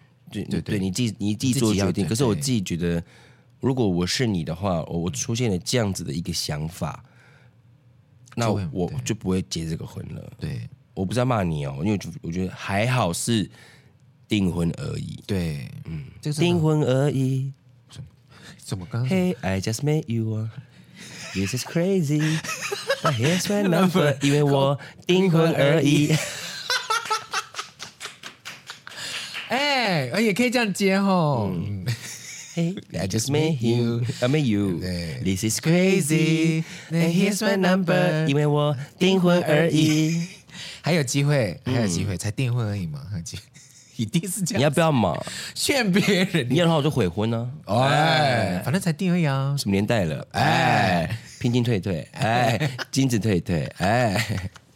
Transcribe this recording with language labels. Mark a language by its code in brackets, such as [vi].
[zh] 对对 对, 对，你自己做决定。可是我自己觉得，如果我是你的话，我出现了这样子的一个想法，那我就不会结这个婚了。对，我不在骂你哦，因为我觉得还好是订婚而已。对，这个订婚而已。怎么刚刚 [en] 说 ？Hey, I just met you.、啊This is crazy, but here's my number. [zh] 因为我订婚而已。哎、欸，也可以这样接吼。 [en] Hey, I just met you, I met you. This is crazy, and here's my number. [zh] 因为我订婚而已。还有机会，还有机会，才订婚而已嘛，还有机会。一定是这样，你要不要嘛？劝别人，你要的话我就悔婚啊、哦、哎，反正才订而已啊，什么年代了？哎，聘金退退，哎，金子退退，哎，